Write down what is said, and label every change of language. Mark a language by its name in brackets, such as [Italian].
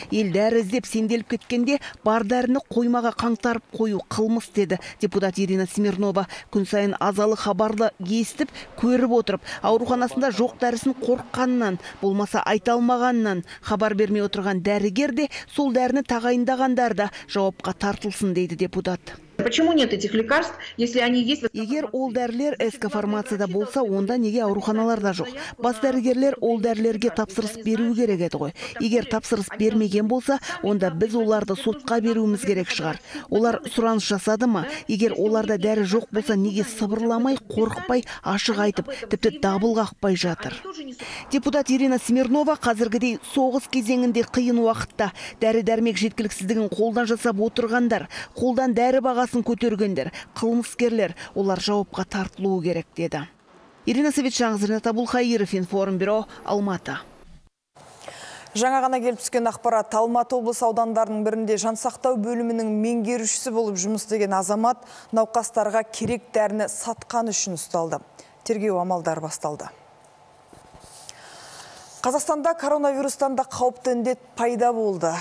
[Kazakh] Ел дәрі іздеп сенделіп кеткенде, бар дәріні қоймаға қаңтарып қою қылмыс, деді депутат Ирина Смирнова. Күн сайын азалы хабарлы естіп, көріп отырып, ауруханасында жоқ дәрісін қорққаннан, болмаса айталмағаннан, хабар бермей отырған дәрігер де сол дәріні тағайындағандар да жауапқа тартылсын, дейді депутат. [Russian] Почему нет этих лекарств, если они есть? [Kazakh] Егер ол дәрілер эскофармацияда болса, онда неге ауруханаларда жоқ? Бас дәрігерлер ол дәрілерге тапсырыс беру керек еді ғой. Егер тапсырыс бермеген болса, онда біз оларды сотқа беруіміз керек шығар. Олар сұраныс жасады ма? Егер оларда дәрі жоқ болса, неге сабырламай, қорықпай, ашық айтып, тіпті дабыл қақпай жатыр? Депутат Ирина Смирнова қазіргідей соғыс кезеңінде қиын уақытта дәрі-дәрмек жеткіліксіздігін қолдан жасап отырғандар, қолдан дәрі бағасын көтергендер, қылмыскерлер, олар жауапқа тартылуы керек, деді. Ирина Савичанг, Зринат Абулхаиров, Информ бюро, Алматы. Жаңа ғана келіп түскен ақпарат, Алматы облыс аудандарының бірінде жансақтау бөлімінің меңгерушісі болып жұмыс деген азамат науқастарға керек дәріні сатқан үшін ұсталды. Тергеу амалдары басталды. Қазақстанда коронавирустан да қауіпті індет пайда болды.